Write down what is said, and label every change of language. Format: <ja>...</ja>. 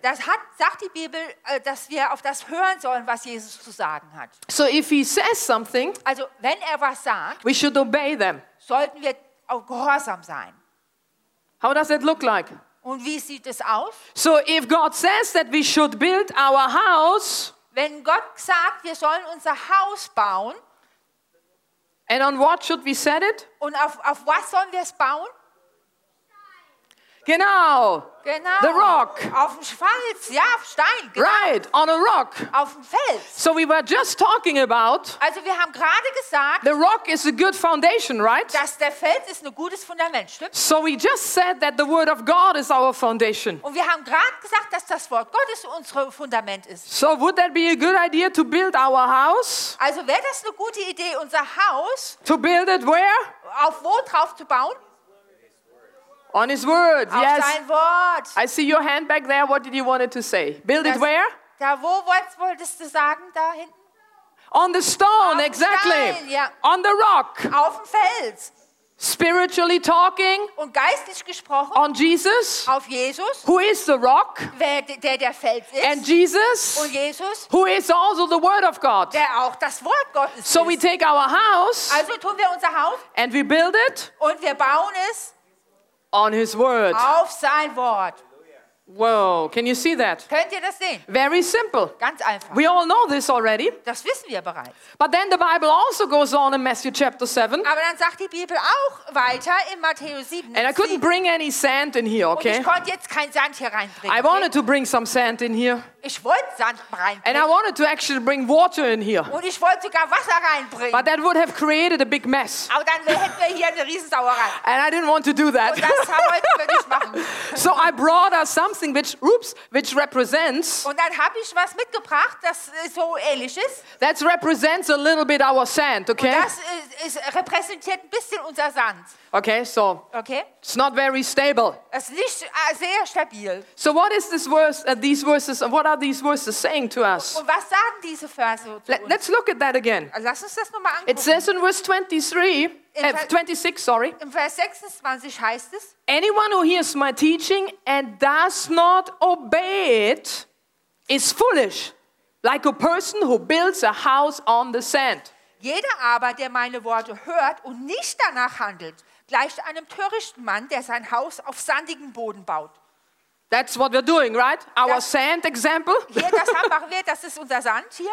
<de>Das hat, sagt die Bibel, dass wir auf das hören sollen, was Jesus zu sagen hat.</de> <en>So if he says something,</en> <de>also wenn er was sagt,</de> <en>we should obey them.</en> <de>Sollten wir auch gehorsam sein.</de> <en>How does it look like?</en> <de>Und wie sieht es aus?</de> <en>So if God says that we should build our house,</en> <de>wenn Gott sagt, wir sollen unser Haus bauen,</de> <en>and on what should we set it?</en> <de>Und auf was sollen wir es bauen? Genau. Genau.</de> <en>The rock.</en> <de>Auf dem Fels, ja, auf Stein. Genau.</de> <en>Right, on a rock.</en> <de>Auf dem Fels.</de> <en>So we were just talking about.</en> <de>Also wir haben gerade gesagt.</de> <en>The rock is a good foundation, right?</en> <de>Dass der Fels ist ein gutes Fundament, stimmt?</de> <en>So we just said that the word of God is our foundation.</en> <de>Und wir haben gerade gesagt, dass das Wort Gottes unser Fundament ist.</de> <en>So would that be a good idea to build our house?</en> <de>Also wäre das eine gute Idee, unser Haus?</de> <en>To build it where?</en> <de>Auf wo drauf zu bauen?</de> <en>On his word,</en> <de>auf</de> <en>yes.</en> <de>Sein Wort.</de> <en>I see your hand back there. What did you want it to say? Build das, it where?</en> <de>Da, wo wolltest du sagen, da hinten?</de> <en>On the stone,</en> <de>auf</de> <en>exactly.</en> <de>Stein, ja.</de> <en>On the rock.</en> <de>Auf dem Fels.</de> <en>Spiritually talking.</en> <de>Und geistlich gesprochen.</de> <en>On Jesus.</en> <de>Auf Jesus.</de> <en>Who is the rock?</en> <de>Wer, der Fels ist.</de> <en>And Jesus.</en> <de>Und Jesus.</de> <en>Who is also the word of God.</en> <de>Der auch das Wort Gottes</de> <en>so We take our house.</en> <de>Also tun wir unser Haus.</de> <en>And we build it.</en> <de>Und wir bauen es.</de> <en>On his word.</en> <de>Auf sein Wort.</de> <en>Whoa, can you see that?</en> <de>Könnt ihr das sehen?</de> <en>Very simple.</en> <de>Ganz einfach.</de> <en>We all know this already.</en> <de>Das wissen wir bereits.</de> <en>But then the Bible also goes on in Matthew chapter 7.</en> <de>Aber dann sagt die Bibel auch weiter in Matthäus 7.</de> <en>And I couldn't bring any sand in here, okay?</en> <de>Und ich konnte jetzt keinen Sand hier reinbringen.</de> <en>I wanted to bring some sand in here.</en> <de>Ich wollte Sand reinbringen.</de> <en>And I wanted to actually bring water in here.</en> <de>Und ich wollte sogar Wasser reinbringen.</de> <en>But that would have created a big mess.</en> <de>Aber dann hätten wir hier eine Riesensauerei.</de> <en>And I didn't want to do that.</en> <de>Und das wollte ich nicht machen.</de> <en>So I brought us something. Which represents.</en> <de>Und dann habe ich was mitgebracht, das so ähnlich ist.</de> <en>That represents a little bit our sand, okay?</en> <de>Und das repräsentiert ein bisschen unser Sand.</de> <en>Okay, so.</en> <de>Okay.</de> <en>It's not very stable.</en> <de>Es ist nicht sehr stabil.</de> <en>So what is this verse? These verses. What are these verses saying to us?</en> <de>Und was sagen diese Verse zu uns?</de> <en>Let's look at that again.</en> <de>Lass uns das nochmal angucken.</de> <en>It says in verse 26, sorry.</en> <de>In Vers 26 heißt es.</de> <en>Anyone who hears my teaching and does not obey it is foolish, like a person who builds a house on the sand.</en> <de>Jeder aber, der meine Worte hört und nicht danach handelt, gleicht einem törichten Mann, der sein Haus auf sandigen Boden baut.</de> <en>That's what we're doing, right? Our das, sand example.</en> <de>Hier, das machen wir, das ist unser Sand hier.</de>